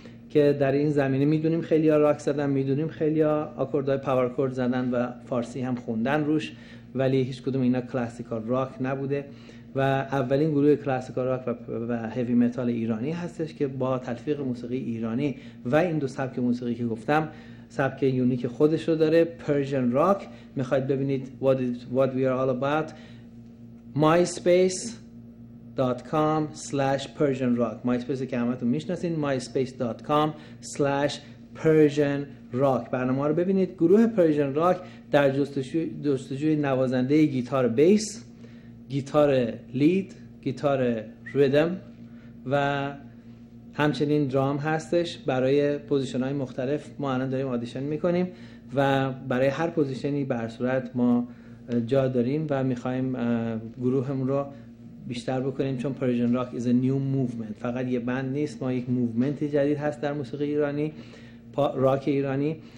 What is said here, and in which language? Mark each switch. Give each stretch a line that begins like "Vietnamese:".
Persian: که در این زمینه میدونیم خیلی ها راک زدن، میدونیم خیلی ها آکوردهای پاورکورد زدن و فارسی هم خوندن روش، ولی هیچ کدوم اینا کلاسیکال راک نبوده و اولین گروه کلاسیکال راک و هیوی متال ایرانی هستش که با تلفیق موسیقی ایرانی و این دو سبک موسیقی که گفتم سبک یونیک خودش رو داره، پرژن راک. میخواید ببینید
English: what we are all about؟ myspace.com/PersianRock myspace
Persian: که همتون میشناسین،
English: myspace.com/PersianRock.
Persian: برنامه رو ببینید. گروه پرژن راک در جستجوی نوازنده گیتار بیس، گیتار لید، گیتار ریدم و همچنین درام هستش برای پوزیشن های مختلف. ما الان داریم آدیشن میکنیم و برای هر پوزیشنی برصورت ما جا داریم و میخواییم گروهمون رو بیشتر بکنیم، چون پرژن راک
English: is a new movement،
Persian: فقط یه بند نیست، ما یک موومنت جدید هست در موسیقی ایرانی، راک ایرانی.